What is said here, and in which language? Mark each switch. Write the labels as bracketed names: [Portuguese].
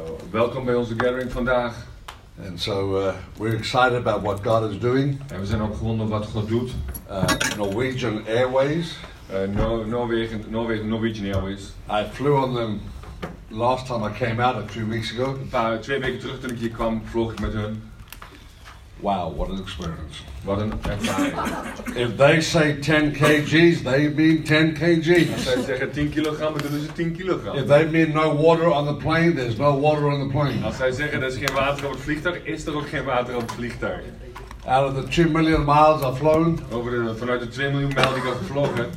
[Dutch] Welkom bij onze gathering vandaag. [English] And so we're excited about what God is doing. [Dutch] En we zijn ook gewonnen wat God doet. [English] Norwegian Airways. Norwegian Airways. I flew on them last time I came out a few weeks ago. [Dutch] Twee weken terug toen ik hier kwam, vloog ik met hun. [English] Wow, what an experience. What an experience. If they say 10 kgs, they mean 10 kgs. [Dutch] Als zij zeggen 10 kilogram, bedoelen ze 10 kilogram. [English] If they mean no water on the plane, there's no water on the plane. [Dutch] Als zij zeggen er is geen water op het vliegtuig, is er ook geen water op het vliegtuig. [English] Out of the 2 million miles I've flown. [Dutch] Vanuit de 2 miljoen mijl die ik heb gevlogen.